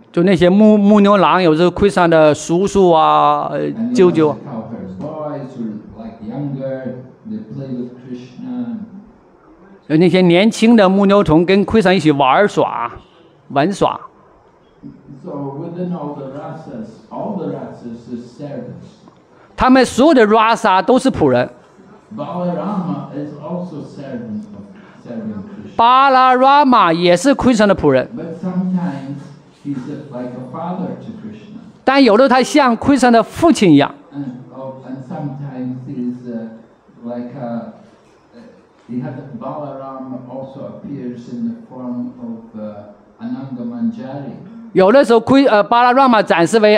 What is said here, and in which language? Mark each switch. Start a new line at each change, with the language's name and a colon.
Chinese: 就那些牧牛郎，有时候 Krishna 的叔叔啊，舅舅。
English: And you have the cowherd boys who are like younger, they play with Krishna.
Chinese: 有那些年轻的牧牛童跟 Krishna 一起玩耍，玩耍。
English: So within all the rasas is servants.
Chinese: 他们所有的 Rasa 都是仆人。
English: Balarama is also servant of Krishna.
Chinese: Balarama 也是 Krishna 的仆人。
English: But sometimes he's like a father to Krishna.
Chinese: 但有的他像 Krishna 的父亲一样。
English: And sometimes he's like a he has Balarama also appears in the form of Ananga Manjari.
Chinese: 有的时候 Balarama 展示为